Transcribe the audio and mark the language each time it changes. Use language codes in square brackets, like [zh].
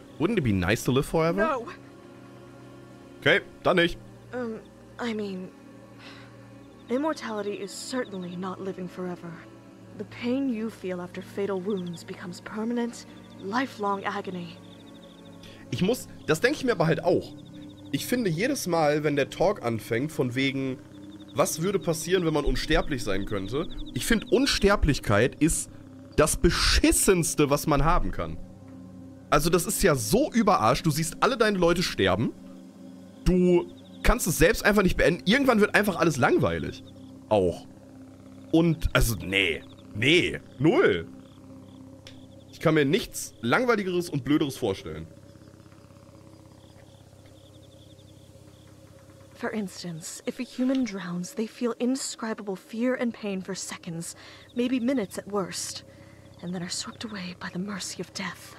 [en] Wouldn't it be nice to live forever? No. [de] Okay, dann nicht. [en] I mean, immortality is certainly not living forever. The pain you feel after fatal wounds becomes permanent, lifelong agony. [de] Ich muss, das denke ich mir aber halt auch. Ich finde jedes Mal, wenn der Talk anfängt, von wegen, was würde passieren, wenn man unsterblich sein könnte? Ich finde, Unsterblichkeit ist das Beschissenste, was man haben kann. Also das ist ja so überarscht, du siehst alle deine Leute sterben. Du kannst es selbst einfach nicht beenden. Irgendwann wird einfach alles langweilig. Auch. Und, also, nee. Nee. Null. Ich kann mir nichts Langweiligeres und Blöderes vorstellen. [en] For instance, if a human drowns, they feel indescribable fear and pain for seconds, maybe minutes at worst, and then are swept away by the mercy of death.